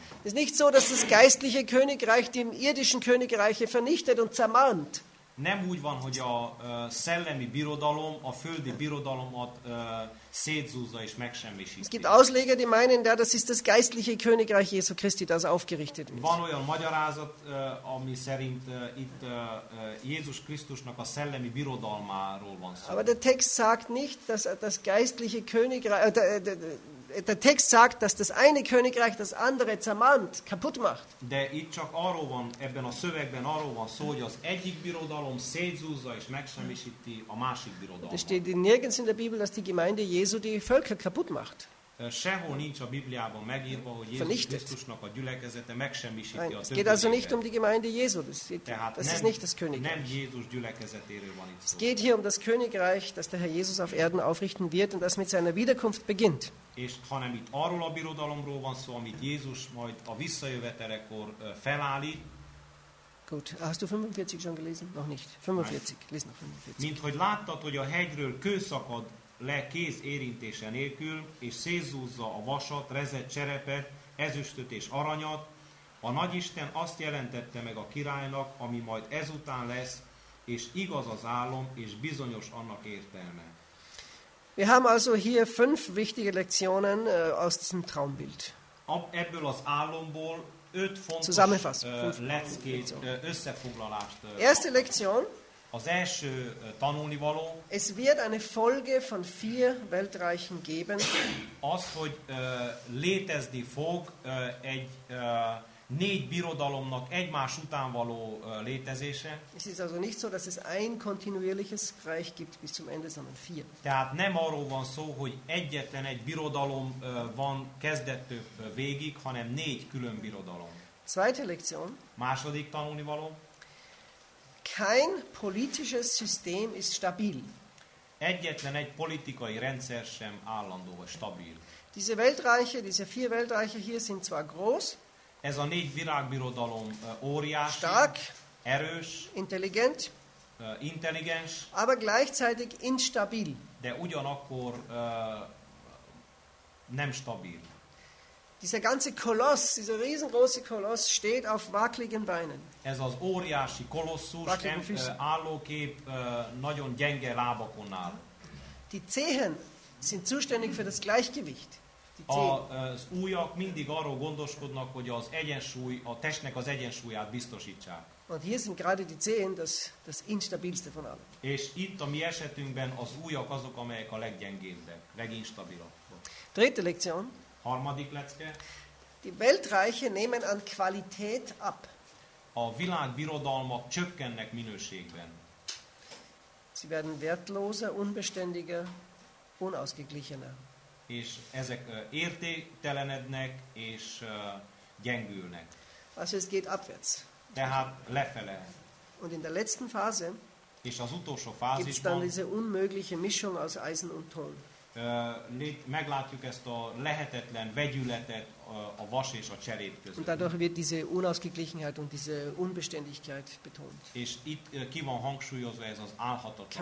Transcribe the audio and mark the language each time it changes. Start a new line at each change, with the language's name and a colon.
German: Es ist nicht so, dass das geistliche Königreich dem irdischen Königreiche vernichtet und zermalmt.
Hungarian: Nem úgy van, hogy a szellemi birodalom a földi birodalomat szétzúzza és megsemmisíti.
German: Es gibt Ausleger, die meinen, ja, das ist das geistliche Königreich Jesu Christi, das aufgerichtet wird.
Hungarian: Van olyan magyarázat, ami szerint itt Jézus Krisztusnak a szellemi birodalmáról van szó.
German: Aber der Text sagt nicht, dass das geistliche Königreich, der Text sagt, dass das eine Königreich das andere zermalmt, kaputt macht.
Hungarian: De itt csak arról van, ebben a szövegben arról van szó, hogy az egyik birodalom szétzúzza és megsemmisíti a másik birodalmat.
German: Es steht nirgends in der Bibel, dass die Gemeinde Jesu die Völker kaputt macht.
Hungarian: Sehol nincs a Bibliában megírva, hogy Jézus Krisztusnak a gyülekezete megsemmisíti a többi.
German: Es geht also nicht um die Gemeinde Jesu. Das ist nicht das Königreich.
Hungarian: Nem Jézus gyülekezetéről van itt szó.
German: Es geht hier um das Königreich, das der Herr Jesus auf Erden aufrichten wird und das mit seiner Wiederkunft beginnt.
Hungarian: És hanem itt arról a birodalomról van szó, amit Jézus majd a visszajövetelekor felállít.
German: Gut, hast du 45 schon gelesen? Noch nicht. 45,
Hungarian: lesz
German: noch 45.
Hungarian: Mint hogy láttad, hogy a hegyről kő szakad le kéz érintése nélkül, és szétzúzza a vasat, rezet, cserepet, ezüstöt és aranyat, a nagyisten azt jelentette meg a királynak, ami majd ezután lesz, és igaz az álom, és bizonyos annak értelme.
German: Wir haben also hier fünf wichtige Lektionen aus diesem Traumbild.
Hungarian: Ebből az álomból öt fontos leckét, összefoglalást.
German: Erste Lektion.
Hungarian: Az első tanulnivaló.
German: Es wird eine Folge von vier Weltreichen geben.
Hungarian: Az, hogy létezni fog egy négy birodalomnak egymás után való létezése.
German: Es ist also nicht so, dass es ein kontinuierliches Reich gibt bis zum Ende, sondern vier.
Hungarian: Tehát nem arról van szó, hogy egyetlen egy birodalom van kezdettől végig, hanem négy külön birodalom.
German: Zweite Lektion.
Hungarian: Második tanulnivaló.
German: Kein politisches System ist stabil.
Hungarian: Egyetlen egy politikai rendszer sem állandó vagy stabil.
German: Diese Weltreiche, diese vier Weltreiche hier sind zwar groß.
Hungarian: Ez a négy világbirodalom óriási,
German: stark,
Hungarian: erős,
German: intelligent,
Hungarian: intelligens,
German: aber gleichzeitig instabil.
Hungarian: De ugyanakkor nem stabil.
German: Dieser ganze Koloss, dieser riesengroße Koloss steht auf wackeligen Beinen.
Hungarian: Ez az óriási kolosszus, állókép nagyon gyenge lábakon áll.
German: Die Zehen sind zuständig für das Gleichgewicht.
Hungarian: Az ujjak mindig arról gondoskodnak, hogy az egyensúly, a testnek az egyensúlyát biztosítsák.
German: Und hier sind gerade die Zehen das instabilste von allen.
Hungarian: És itt a mi esetünkben az ujjak azok, amelyek a leggyengébbek, leginstabilabbak.
German: Dritte Lektion.
Hungarian: Harmadik lecke.
German: Die Weltreiche nehmen an Qualität ab.
Hungarian: A világbirodalmak csökkennek minőségben.
German: Sie werden wertloser, unbeständiger, unausgeglichener.
Hungarian: És ezek értéktelenednek és gyengülnek.
German: Also es geht abwärts.
Hungarian: Tehát lefele.
German: Und in der letzten Phase.
Hungarian: És az utolsó fázisban.
German: Gibt's dann diese unmögliche Mischung aus Eisen und Ton.
Hungarian: Meglátjuk ezt a lehetetlen vegyületet a vas és a cserép között.
German: Und dadurch wird diese Unausgeglichenheit und diese Unbeständigkeit betont.
Hungarian: És itt ki van hangsúlyozva ez az álhatatlanság.